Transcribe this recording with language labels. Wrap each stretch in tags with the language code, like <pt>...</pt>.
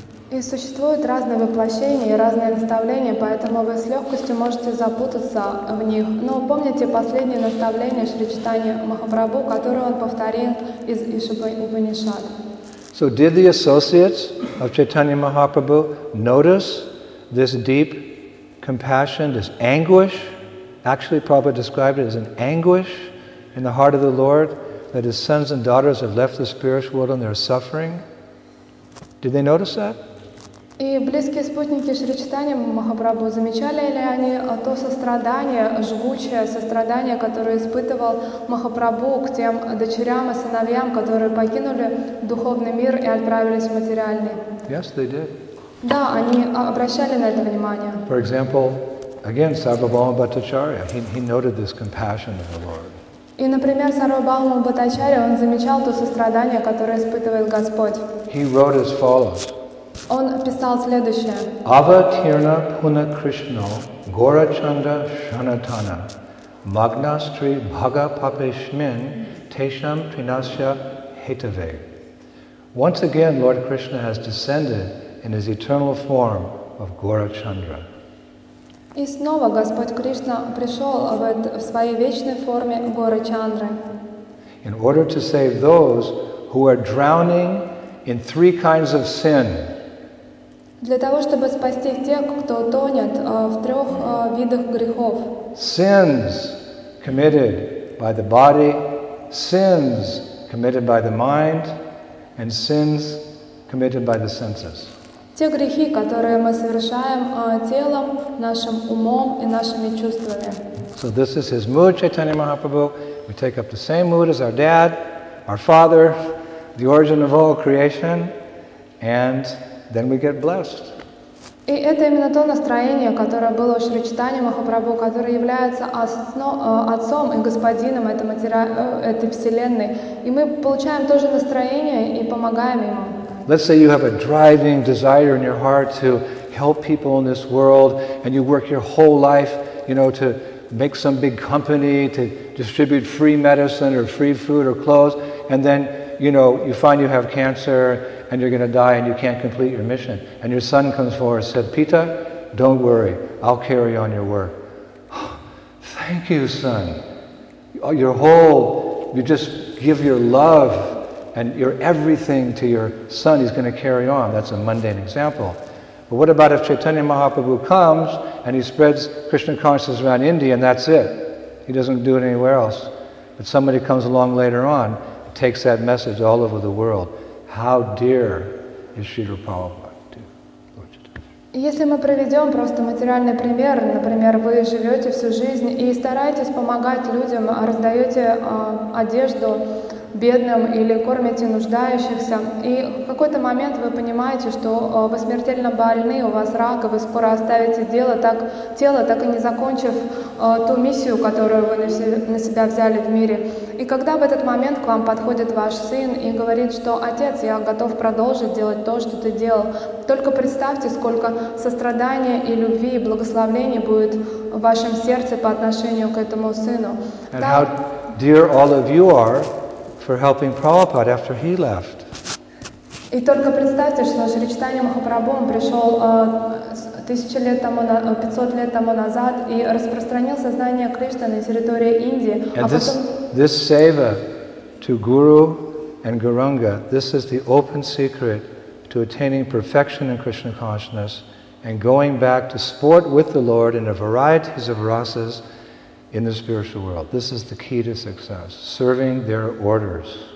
<ru>И существуют разные воплощения и разные наставления, поэтому вы с легкостью можете запутаться в них. Но помните последнее наставление Шри Чайтанья Махапрабху, которое он повторил из Упанишад.</ru> <en>So did the associates of Chaitanya Mahaprabhu notice this deep compassion, this anguish? Actually, Prabhupada described it as an anguish in the heart of the Lord that his sons and daughters have left the spiritual world and they're suffering. Did they notice that?</en> <ru>И близкие спутники Шри Чайтанья Махапрабху замечали ли они то сострадание, жгучее сострадание, которое испытывал Махапрабху к тем дочерям и сыновьям, которые покинули духовный мир и отправились в материальный?</ru> <en>Yes, they did.</en> <ru>Да, они обращали на это внимание.</ru> <en>For example, again, Sarvabhauma Bhattacharya, he noted this compassion of the Lord.</en> <ru>И, например, Сарвабхаума Бхаттачарья, он замечал то сострадание, которое испытывает Господь.</ru> <en>He wrote as follows.</en> <ru>Он писал следующее.</ru> <sa>Avatirna Puna Krishna Gorachanda Shanatana Magnastri Bhaga Papeshmin Tesham Trinasya Hetave.</sa> <en>Once again, Lord Krishna has descended in his eternal form of Gorachandra.</en> <ru>И снова Господь Кришна пришел в своей вечной форме Горачандры.</ru> <en>In order to save those who are drowning in three kinds of sin.</en> <ru>Для того, чтобы спасти тех, кто тонет в трех видах грехов.</ru> <en>Sins committed by the body, sins committed by the mind, and sins committed by the senses.</en> <ru>Те грехи, которые мы совершаем телом, нашим умом и нашими чувствами.</ru> <en>So this is his mood, Chaitanya Mahaprabhu. We take up the same mood as our dad, our father, the origin of all creation. And then we get blessed.</en> <ru>И это именно то настроение, которое было у Шри Чайтаньи Махапрабху, который является отцом и господином этой вселенной. И мы получаем то же настроение и помогаем ему.</ru> <en>Let's say you have a driving desire in your heart to help people in this world, and you work your whole life, you know, to make some big company, to distribute free medicine or free food or clothes, and then, you know, you find you have cancer, and you're going to die, and you can't complete your mission. And your son comes forward and said, Pita, don't worry, I'll carry on your work. Thank you, son. Your whole, you just give your love and your everything to your son, he's going to carry on. That's a mundane example. But what about if Chaitanya Mahaprabhu comes and he spreads Krishna consciousness around India and that's it? He doesn't do it anywhere else. But somebody comes along later on, takes that message all over the world. How dear is Śrīla Prabhupāda?</en> <ru>Если мы приведем просто материальный пример, например, вы живете всю жизнь и стараетесь помогать людям, раздаете одежду бедным или кормите нуждающихся, и в какой-то момент вы понимаете, что вы смертельно больны, у вас рак, и вы скоро оставите тело, так и не закончив ту миссию, которую вы на себя взяли в мире. И когда в этот момент к вам подходит ваш сын и говорит, что «Отец, я готов продолжить делать то, что ты делал», только представьте, сколько сострадания и любви, и благословений будет в вашем сердце по отношению к этому сыну.</ru> <en>And how dear all of you are for helping Prabhupada after he left.</en> <ru>И только представьте, что Шри Чайтанья Махапрабху пришел 500 лет тому назад и распространил сознание Кришны на территории Индии.</ru> <en>And this seva to Guru and Gauranga, this is the open secret to attaining perfection in Krishna consciousness and going back to sport with the Lord in a variety of rasas in the spiritual world. This is the key to success, serving their orders.</en>